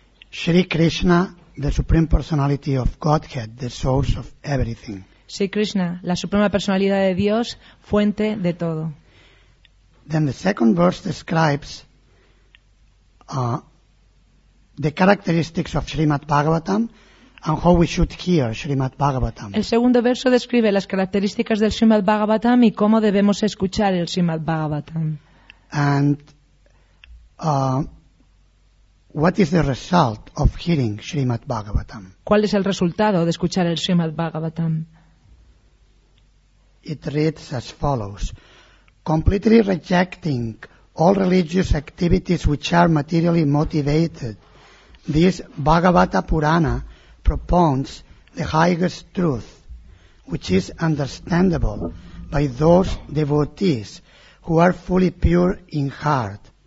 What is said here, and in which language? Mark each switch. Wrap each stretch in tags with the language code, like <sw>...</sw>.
<en>Shri Krishna, the Supreme Personality of Godhead, the source of everything.</en> <es>Sri Krishna, la suprema personalidad de Dios, fuente de todo.</es> <en>Then the second verse describes the characteristics of Srimad Bhagavatam and how we should hear Srimad Bhagavatam.</en> <es>El segundo verso describe las características del Srimad Bhagavatam y cómo debemos escuchar el Srimad Bhagavatam.</es> <en>And what is the result of hearing Srimad Bhagavatam?</en> <es>¿Cuál es el resultado de escuchar el Srimad Bhagavatam?</es> <en>It reads as follows: completely rejecting all religious activities which are materially motivated, this Bhagavata Purana propounds the highest truth, which is understandable by those devotees who are fully pure in heart.</en>